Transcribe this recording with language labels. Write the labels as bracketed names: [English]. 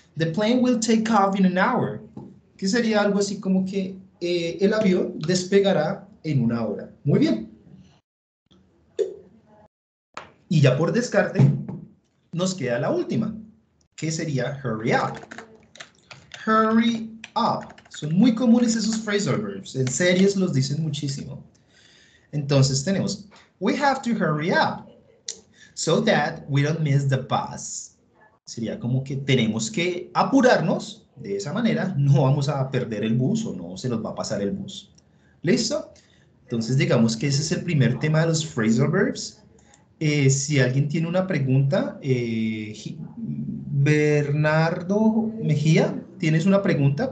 [English] The plane will take off in an hour. [Spanish] Que sería algo así como que el avión despegará en una hora. Muy bien. Y ya por descarte, nos queda la última. Que sería hurry up. Hurry up. Son muy comunes esos phrasal verbs. En series los dicen muchísimo. Entonces tenemos, [English] we have to hurry up so that we don't miss the bus. [Spanish] Sería como que tenemos que apurarnos. De esa manera no vamos a perder el bus o no se nos va a pasar el bus. ¿Listo? Entonces digamos que ese es el primer tema de los phrasal verbs. Si alguien tiene una pregunta, Bernardo Mejía, ¿tienes una pregunta?